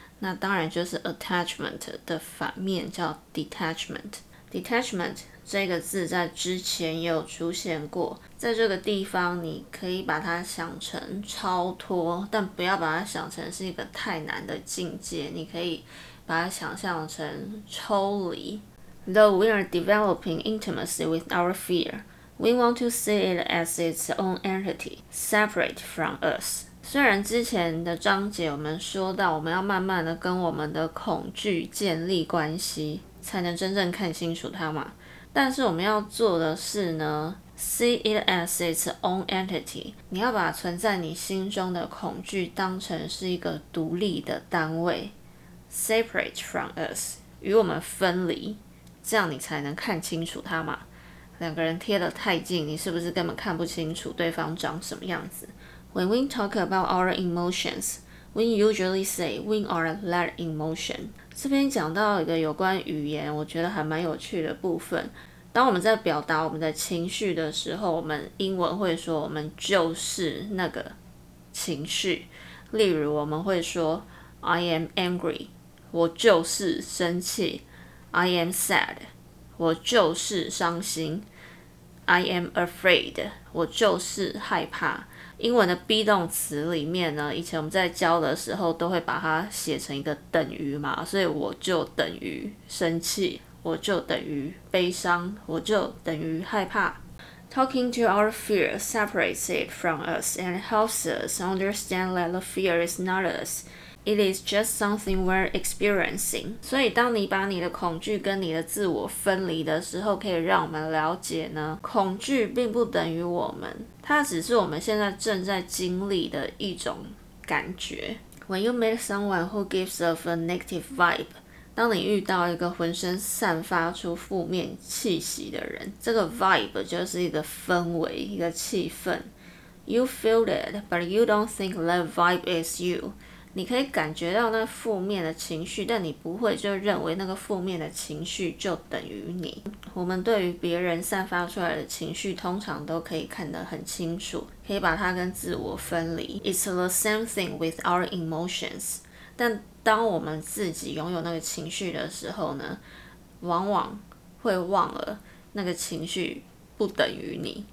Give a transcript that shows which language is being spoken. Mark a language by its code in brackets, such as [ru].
[zh] 那当然就是 attachment 的反面叫 detachment。 detachment 这个字在之前也有出现过，在这个地方你可以把它想成超脱，但不要把它想成是一个太难的境界，你可以把它想象成抽离。 [en] Though we are developing intimacy with our fear, we want to see it as its own entity, separate from us. [zh] 虽然之前的章节我们说到我们要慢慢的跟我们的恐惧建立关系才能真正看清楚它嘛，但是我们要做的是呢， [en] see it as its own entity， [zh] 你要把存在你心中的恐惧当成是一个独立的单位， [en] separate from us， [zh] 与我们分离，这样你才能看清楚它嘛。两个人贴得太近，你是不是根本看不清楚对方长什么样子？ [en] When we talk about our emotions, we usually say we are that emotion。 [zh] 这边讲到一个有关语言我觉得还蛮有趣的部分，当我们在表达我们的情绪的时候，我们英文会说我们就是那个情绪，例如我们会说 [en] I am angry， [zh] 我就是生气。 [en] I am sad， [zh] 我就是伤心。 [en] I am afraid， [zh] 我就是害怕。英文的 be 动词里面呢，以前我们在教的时候都会把它写成一个等于嘛，所以我就等于生气，我就等于悲伤，我就等于害怕。 [en] Talking to our fear separates it from us and helps us understand that the fear is not usIt is just something we're experiencing. [zh] 所以当你把你的恐惧跟你的自我分离的时候，可以让我们了解呢，恐惧并不等于我们，它只是我们现在正在经历的一种感觉。 [en] When you meet someone who gives off a negative vibe， [zh] 当你遇到一个浑身散发出负面气息的人，这个 vibe 就是一个氛围，一个气氛。 [en] You feel it, but you don't think that vibe is you. [zh] 你可以感觉到那负面的情绪，但你不会就认为那个负面的情绪就等于你。我们对于别人散发出来的情绪通常都可以看得很清楚，可以把它跟自我分离。 [en] It's the same thing with our emotions， [zh] 但当我们自己拥有那个情绪的时候呢，往往会忘了那个情绪不等于你。